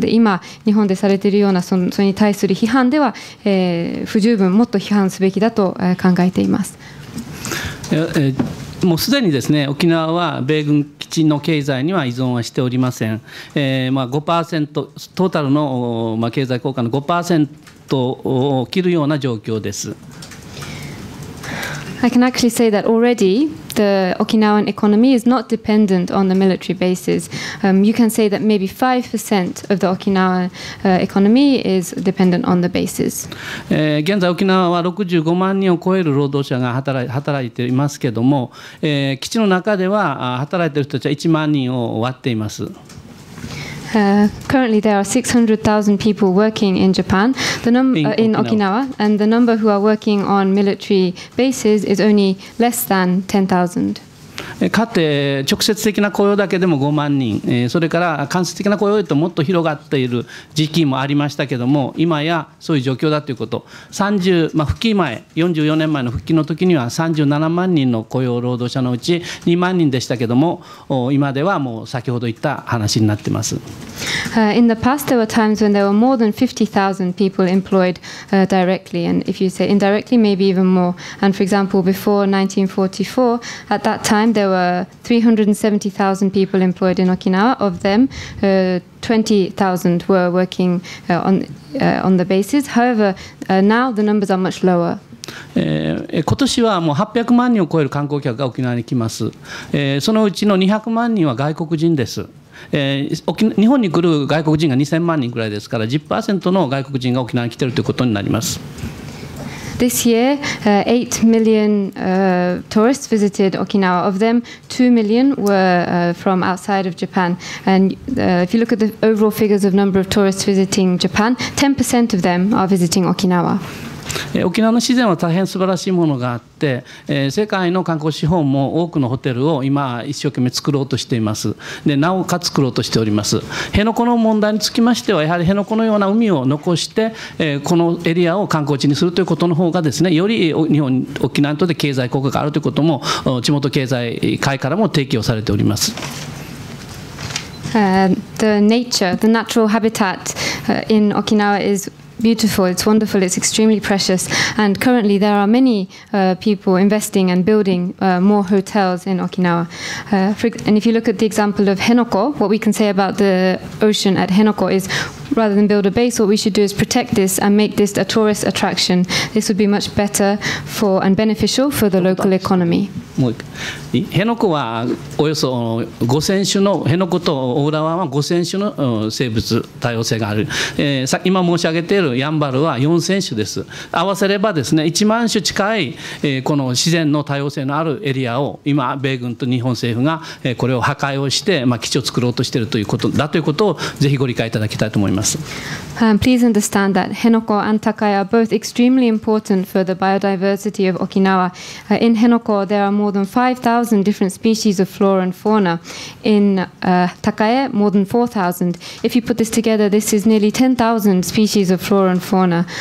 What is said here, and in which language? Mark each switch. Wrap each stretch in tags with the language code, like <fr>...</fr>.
<ja>で今日本でされているようなそれに対する批判では、不十分、もっと批判すべきだと考えています。もうすでにですね、沖縄は米軍基地の経済には依存はしておりません。まあ、5% トータルの、まあ、経済効果の 5% を切るような状況です。</ja> <en>I can actually say that already the Okinawan economy is not dependent on the military bases. You can say that maybe 5% of the Okinawa economy is dependent on the bases.</en> <ja>現在沖縄は65万人を超える労働者が働いていますけども、基地の中では働いている人たちは1万人を割っています。</ja> <en>Currently, there are 600,000 people working in Japan, in Okinawa, and the number who are working on military bases is only less than 10,000.</en> <ja>かつて直接的な雇用だけでも5万人、それから間接的な雇用へともっと広がっている時期もありましたけども、今やそういう状況だということ、復帰前、44年前の復帰の時には37万人の雇用労働者のうち2万人でしたけども、今ではもう先ほど言った話になってます。</ja> <en>In the past, there were times when there were more than 50,000 people employed directly, and if you say indirectly, maybe even more. And for example, before 1944, at that time, there were 370,000 people employed in Okinawa. Of them, 20,000 were working on the bases. However, now the numbers are much lower.</en> <ja>今年はもう800万人を超える観光客が沖縄に来ます。そのうちの200万人は外国人です。日本に来る外国人が2000万人くらいですから、10% の外国人が沖縄に来ているということになります。</ja> <en>This year, 8 million tourists visited Okinawa. Of them, 2 million were from outside of Japan. And if you look at the overall figures of number of tourists visiting Japan, 10% of them are visiting Okinawa.</en> <ja>沖縄の自然は大変素晴らしいものがあって、世界の観光資本も多くのホテルを今一生懸命作ろうとしています。でなおかつ作ろうとしております。辺野古の問題につきましては、やはり辺野古のような海を残して、このエリアを観光地にするということの方がですね、より日本沖縄にとって経済効果があるということも地元経済界からも提起をされております。</ja> <en>The nature, the natural habitat in Okinawa isBeautiful, it's wonderful, it's extremely precious. And currently there are many people investing and building more hotels in Okinawa. And if you look at the example of Henoko, what we can say about the ocean at Henoko is rather than build a base, what we should do is protect this and make this a tourist attraction. This would be much better for and beneficial for the local economy.</en> <ja>辺野古はおよそ5000種の、辺野古と大浦湾は5000種の生物多様性がある、今申し上げているやんばるは4000種です。合わせればですね、1万種近い、この自然の多様性のあるエリアを今、米軍と日本政府が、これを破壊をして、基地を作ろうとしているということだということをぜひご理解いただきたいと思います。</ja> <en>Please understand that Henoko and Takae are both extremely important for the biodiversity of Okinawa. In Henoko, there are more than 5,000 different species of flora and fauna. In Takae, more than 4,000. If you put this together, this is nearly 10,000 species of flora and fauna.</en>